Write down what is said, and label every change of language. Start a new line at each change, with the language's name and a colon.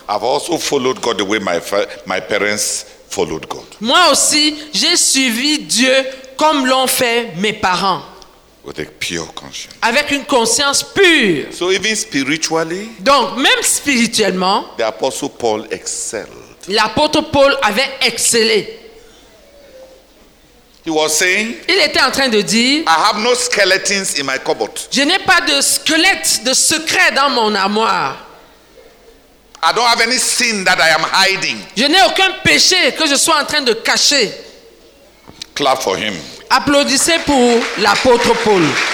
English: I've also followed God the way my parents followed God.
French: Moi aussi, j'ai suivi Dieu comme l'ont fait mes parents.
English: With a pure conscience.
French: Avec une conscience pure.
English: So even spiritually.
French: Donc même spirituellement.
English: The apostle Paul excelled.
French: L'apôtre Paul avait excellé.
English: He was saying,
French: il était en train de dire,
English: I have no skeletons in my cupboard.
French: Je n'ai pas de squelette, de secret dans mon armoire.
English: I don't have any sin that I am hiding.
French: Je n'ai aucun péché que je sois en train de cacher.
English: Clap for him.
French: Applaudissez pour l'apôtre Paul.